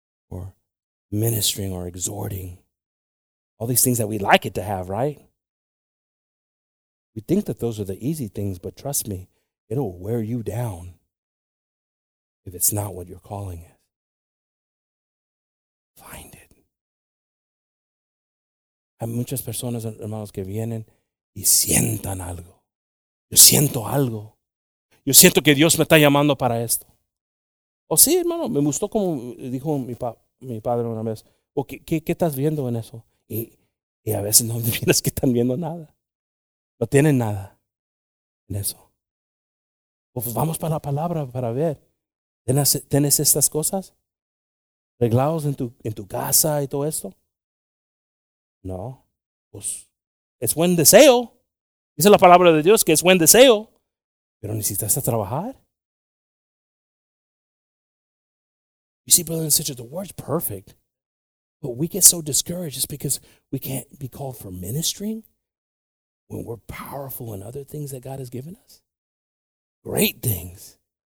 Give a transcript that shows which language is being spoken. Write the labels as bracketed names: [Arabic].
[English] or ministering or exhorting. All these things that we like it to have, right? We think that those are the easy things, but trust me, it'll wear you down if it's not what your calling is. Find it. [Spanish] Hay muchas personas, hermanos, que vienen y sientan algo. Yo siento algo. Yo siento que Dios me está llamando para esto. Oh, sí, hermano, me gustó como dijo mi padre una vez. ¿Qué estás viendo en eso? Y a veces no miras que están viendo nada. No tienen nada en eso. Pues vamos para la palabra para ver. ¿Tienes estas cosas? ¿Reglados en tu casa y todo esto? No. Pues es buen deseo. Dice la palabra de Dios que es buen deseo. Pero necesitas trabajar. [English] You see, brothers and sisters, the word's perfect. But we get so discouraged just because we can't be called for ministering when we're powerful in other things that God has given us. Great things.